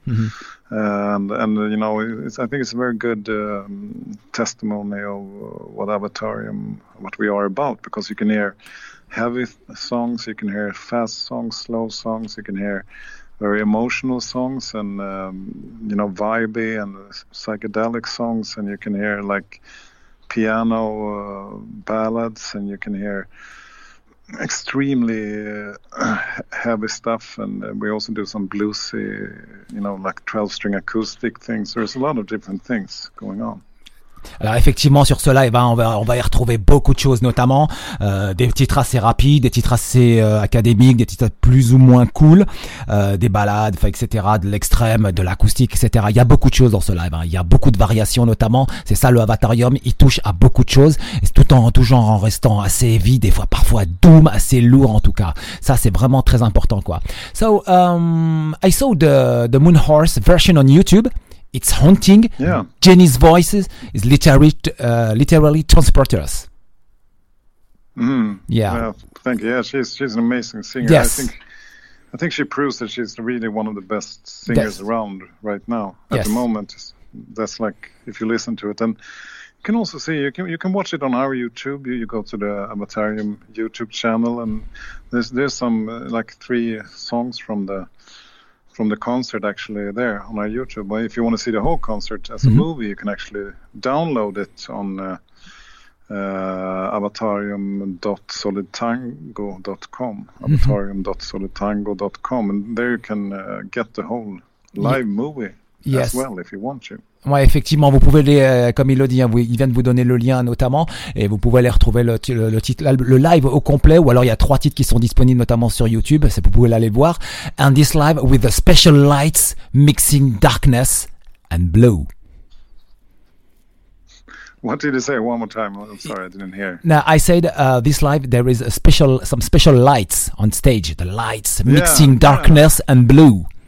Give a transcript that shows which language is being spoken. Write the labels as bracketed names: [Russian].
[English] And you know, I think it's a very good testimony of what Avatarium, what we are about, because you can hear heavy songs, you can hear fast songs, slow songs, you can hear very emotional songs and you know, vibey and psychedelic songs, and you can hear like piano ballads, and you can hear extremely heavy stuff, and we also do some bluesy, you know, like 12-string acoustic things. There's a lot of different things going on. [French] Alors effectivement, sur ce live, hein, on va y retrouver beaucoup de choses, notamment des titres assez rapides, des titres assez académiques, des titres plus ou moins cool, des balades, etc., de l'extrême, de l'acoustique, etc. Il y a beaucoup de choses dans ce live, hein. Il y a beaucoup de variations, notamment, c'est ça le Avatarium, il touche à beaucoup de choses, tout en toujours en restant assez vide, des fois parfois doom, assez lourd en tout cas. Ça, c'est vraiment très important, quoi. [English] So, I saw the Moon Horse version on YouTube. It's haunting. Yeah. Jenny's voice is literally transporters. Yeah. Well, thank you. Yeah, she's an amazing singer. Yes. I think she proves that she's really one of the best singers around right now. Yes. At the moment. That's like, if you listen to it. And you can also see, you can watch it on our YouTube. You go to the Avatarium YouTube channel, and there's some like 3 songs from the concert actually there on our YouTube. But if you want to see the whole concert as a movie, you can actually download it on avatarium.solidtango.com, avatarium.solidtango.com, and there you can get the whole live movie as well if you want to. [French] Ouais, effectivement, vous pouvez aller, comme il le dit, hein, il vient de vous donner le lien notamment, et vous pouvez aller retrouver le titre, le live au complet, ou alors il y a 3 titres qui sont disponibles notamment sur YouTube, c'est vous pouvez aller voir. [English] And this live with the special lights mixing darkness and blue. What did you say one more time? I'm sorry, I didn't hear. No, I said this live, there is some special lights on stage, the lights mixing darkness and blue.